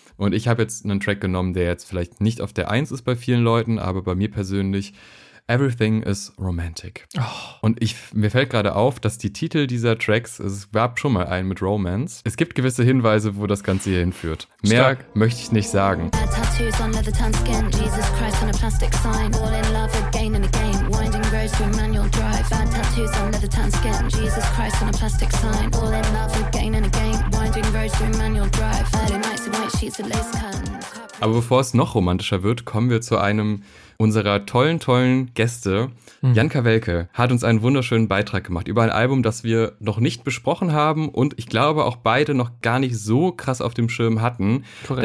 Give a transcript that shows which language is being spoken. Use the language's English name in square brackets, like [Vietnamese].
[German] Und ich habe jetzt einen Track genommen, der jetzt vielleicht nicht auf der 1 ist bei vielen Leuten, aber bei mir persönlich, Everything is Romantic. Oh. Und mir fällt gerade auf, dass die Titel dieser Tracks, es gab schon mal einen mit Romance. Es gibt gewisse Hinweise, wo das Ganze hier hinführt. Stark. Mehr möchte ich nicht sagen. [English] Tattoos on leather tan skin, Jesus Christ on a plastic sign, all in love again and again, winding roads through manual drive. Bad tattoos on leather tan skin, Jesus Christ on a plastic sign, all in love again and again, winding roads through manual drive. Early nights and white sheets of lace curtain. [German] Aber bevor es noch romantischer wird, kommen wir zu einem unserer tollen, tollen Gäste. Janka Welke hat uns einen wunderschönen Beitrag gemacht über ein Album, das wir noch nicht besprochen haben und ich glaube auch beide noch gar nicht so krass auf dem Schirm hatten. Korrekt.